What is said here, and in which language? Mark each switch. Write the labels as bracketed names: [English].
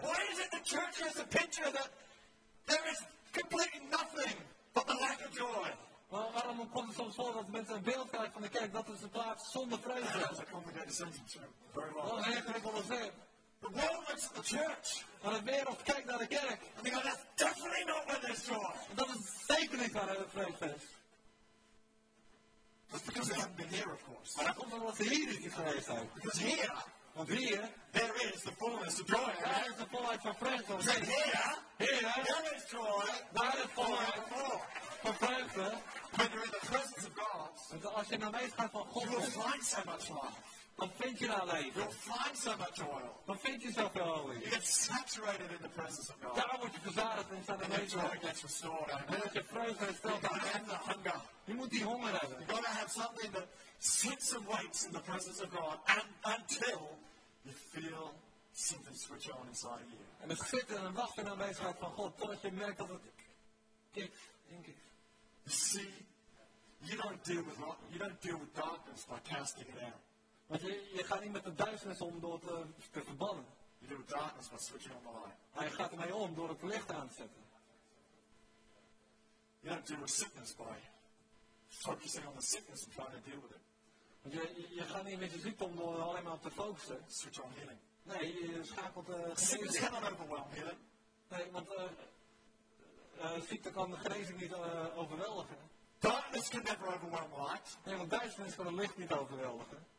[English] Why is it the church has a picture that there is completely nothing but the lack of joy? [Dutch] Well, waarom komt het soms voor dat mensen een beeld krijgen van de kerk dat is een plaats zonder vreugde? [English] That's a complicated sentence. Very well. Well, hey, ik the world looks at the church. [Dutch] Maar de wereld kijkt naar de kerk. [English] And they go, that's definitely not where there's joy. [Dutch] En dat is zeker niet waar de vreugde is. [English] That's because they haven't been here, of course. [Dutch] Maar dat komt omdat ze hier niet geweest zijn. [English] Because here. [Dutch] Want hier. [English] There is the fullness of joy. [Dutch] Daar is de volheid van vreugde. [English] He said here. Here. There is joy. [Dutch] Daar is volheid van vreugde. [English] When you're in the presence of God. [Dutch] En als je naar wees gaat van God. [English] You will find so much life. [Dutch] Dan vind je daar leven. [English] You'll find so much oil. [Dutch] Dan vind je zoveel olie. [English] You get saturated in the presence of God. [Dutch] Daar word je verzadigd in staat [English] and your joy gets restored. [Dutch] En dat je vreugde hersteld. [English] You have the hunger. [Dutch] Je moet die honger hebben. [English] You've got to have something that sits and waits in the presence of God and until you feel something switch on inside of you. [Dutch] En het zit en een wacht in aanwezigheid van God totdat je merkt dat het kikt. [English] You see, you don't deal with darkness by casting it out. [Dutch] Want je gaat niet met de duisternis om door te verbannen. [English] You do darkness by switching on the light. [Dutch] Hij gaat ermee om door het licht aan te zetten. [English] You don't deal with sickness by focusing on the sickness and trying to deal with it. [Dutch] Want je gaat niet met je ziekte om door alleen maar op te focussen. [English] Switch on healing. [Dutch] Nee, je schakelt [English] sickness cannot overwhelm healing. [Dutch] Nee, want ziekte kan de genezing niet overweldigen. [English] Darkness can never overwhelm light. [Dutch] Nee, want duisternis kan het licht niet overweldigen.